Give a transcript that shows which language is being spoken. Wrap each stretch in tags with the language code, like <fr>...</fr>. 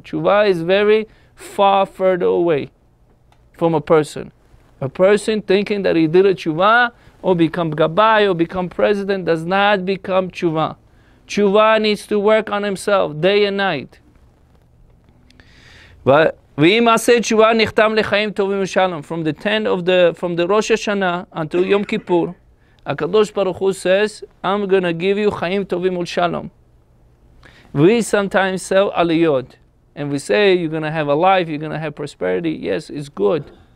<en>Tshuva is very far further away from a person. A person thinking that he did a tshuva or become gabbai or become president does not become tshuva. Tshuva needs to work on himself day and night. But</en> <he>ואם עשה תשובה נחתם לחיים טובים ושלום.</he> <en>From the 10th of the, from the Rosh Hashanah until Yom Kippur, HaKadosh Baruch Hu says, I'm going to give you</en> <he>חיים טובים ושלום.</he> <en>We sometimes sell aliyot. and we say you're going to have a life, you're going to have prosperity, yes, it's good.</en>